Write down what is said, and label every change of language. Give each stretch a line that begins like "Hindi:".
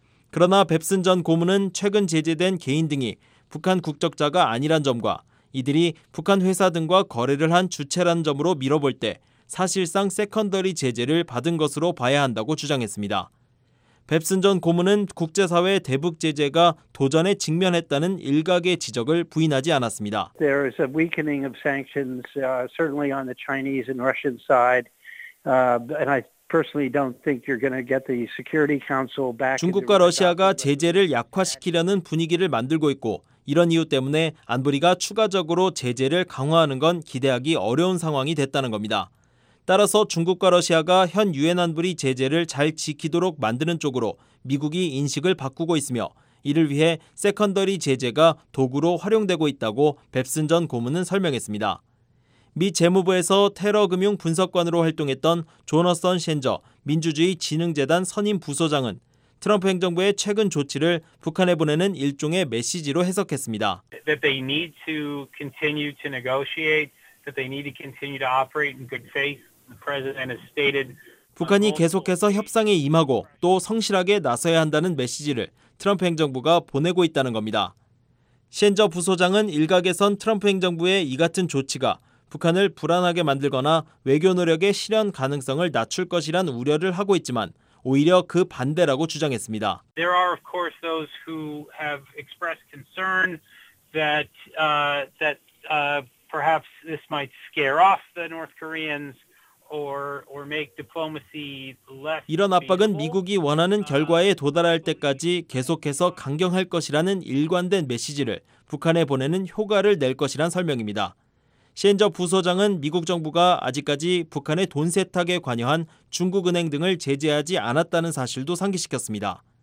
Korean: 그러나 뱁슨 전 고문은 최근 제재된 개인 등이 북한 국적자가 아니란 점과 이들이 북한 회사 등과 거래를 한 주체라는 점으로 미뤄볼 때 사실상 세컨더리 제재를 받은 것으로 봐야 한다고 주장했습니다. 뱁슨 전 고문은 국제사회 대북 제재가 도전에 직면했다는 일각의 지적을 부인하지 않았습니다.
English: There is a weakening of sanctions certainly on the Chinese and Russian side. And I personally don't think you're going to get the Security Council back.
Korean: 중국과 러시아가 제재를 약화시키려는 분위기를 만들고 있고 이런 이유 때문에 안보리가 추가적으로 제재를 강화하는 건 기대하기 어려운 상황이 됐다는 겁니다. 따라서 중국과 러시아가 현 유엔 안보리 제재를 잘 지키도록 만드는 쪽으로 미국이 인식을 바꾸고 있으며 이를 위해 세컨더리 제재가 도구로 활용되고 있다고 뱁슨 전 고문은 설명했습니다. 미 재무부에서 테러금융 분석관으로 활동했던 조너선 셴저 민주주의 진흥재단 선임 부소장은 트럼프 행정부의 최근 조치를 북한에 보내는 일종의 메시지로 해석했습니다.
English: That they need to continue to negotiate. That they need to continue to operate in good faith. The president has stated.
Korean: 북한이 계속해서 협상에 임하고 또 성실하게 나서야 한다는 메시지를 트럼프 행정부가 보내고 있다는 겁니다. 셴저 부소장은 일각에선 트럼프 행정부의 이 같은 조치가 북한을 불안하게 만들거나 외교 노력의 실현 가능성을 낮출 것이란 우려를 하고 있지만 오히려 그 반대라고 주장했습니다.
English: There are of course those who have expressed concern that perhaps this might scare off the North Koreans or make diplomacy less.
Korean: 이런 압박은 미국이 원하는 결과에 도달할 때까지 계속해서 강경할 것이라는 일관된 메시지를 북한에 보내는 효과를 낼 것이란 설명입니다. 셴저 부소장은 미국 정부가 아직까지 북한의 돈 세탁에 관여한 중국은행 등을 제재하지 않았다는 사실도 상기시켰습니다.